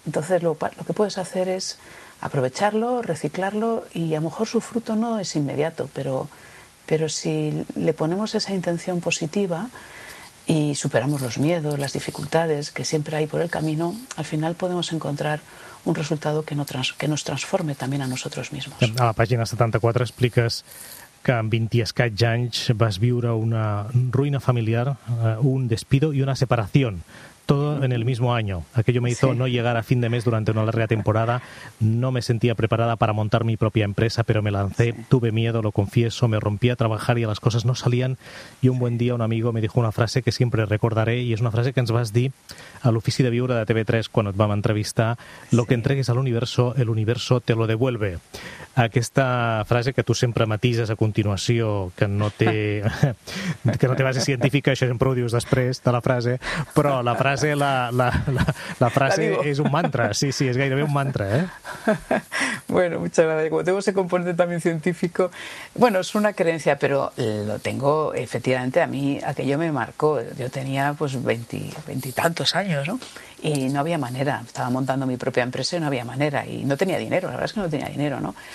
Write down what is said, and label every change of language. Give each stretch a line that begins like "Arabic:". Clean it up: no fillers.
Spanish: Entonces, lo que puedes hacer es aprovecharlo, reciclarlo, y a lo mejor su fruto no es inmediato, pero si le ponemos esa intención positiva y superamos los miedos, las dificultades que siempre hay por el camino, al final podemos encontrar un resultado que nos transforme también a nosotros mismos.
Catalan: A la pàgina 74 expliques que amb 20 i escaig anys vas viure una ruïna familiar,
Spanish: un despido y una separación, todo en el mismo año. Aquello me hizo no llegar a fin de mes durante una larga temporada. No me sentía preparada para montar mi propia empresa, pero me lancé. Sí. Tuve miedo, lo confieso, me rompí a trabajar y las cosas no salían. Y un buen día un amigo me dijo una frase que siempre recordaré, y es una frase que
Catalan: ens vas dir a l'Ofici de Viure de TV3 quan et vam entrevistar:
Spanish: lo que entregues a l'universo, el universo te lo devuelve.
Catalan: Aquesta frase que tu sempre matises a continuació, que no té base científica, això sempre ho dius després de la frase, però la frase La frase es un mantra, sí, es gairebé un mantra, ¿eh?
Spanish: Bueno, muchas gracias. Como tengo ese componente también científico, bueno, es una creencia, pero lo tengo efectivamente. A mí aquello me marcó. Yo tenía pues 20 y tantos años, ¿no? Y no había manera, estaba montando mi propia empresa y no había manera, y no tenía dinero, la verdad es que no tenía dinero, ¿no?